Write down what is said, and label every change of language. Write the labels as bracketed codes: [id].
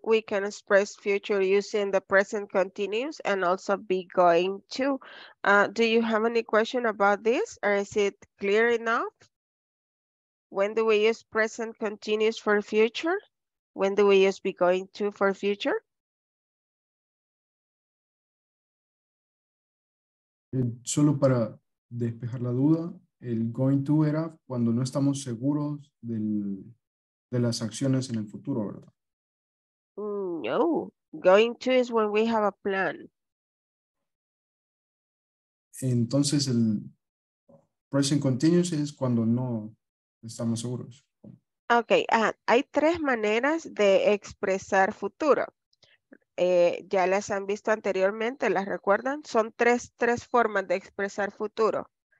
[en] We can express future using the present continuous and also be going to. Do you have any question about this, or is it clear enough? When do we use present continuous for future? When do we use be going to for future? [es] Solo para despejar la duda, el going to era cuando no estamos seguros de las acciones en el futuro, ¿verdad? [en] No, going to is when we have a plan. [es] Entonces el present continuous es cuando no estamos seguros. Ok, hay tres maneras de expresar futuro. Ya las han visto anteriormente, ¿las recuerdan? Son tres formas de expresar futuro.